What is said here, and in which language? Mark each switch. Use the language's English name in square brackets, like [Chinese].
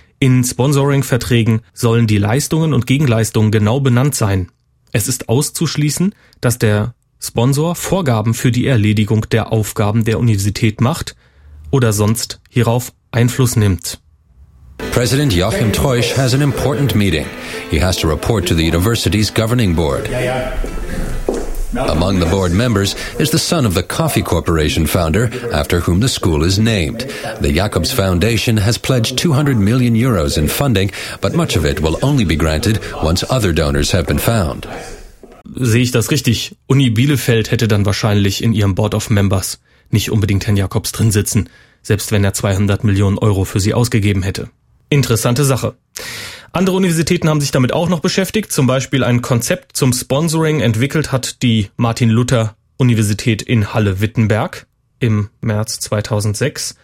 [German] In Sponsoring-Verträgen sollen die Leistungen und Gegenleistungen genau benannt sein. Es ist auszuschließen, dass der Sponsor Vorgaben für die Erledigung der Aufgaben der Universität macht oder sonst hierauf Einfluss nimmt. [English] President Joachim Treusch has an important meeting. He has to report to the university's governing board. Among the board members is the son of the Coffee Corporation founder, after whom the school is named. The Jacobs Foundation has pledged 200 million euros in funding, but much of it will only be granted once other donors have been found. [German] Sehe ich das richtig? Uni Bielefeld hätte dann wahrscheinlich in ihrem Board of Members nicht unbedingt Herrn Jacobs drin sitzen, selbst wenn er 200 Millionen Euro für sie ausgegeben hätte. Interessante Sache. Andere Universitäten haben sich damit auch noch beschäftigt. Zum Beispiel ein Konzept zum Sponsoring entwickelt hat die Martin-Luther-Universität in Halle-Wittenberg im März 2006.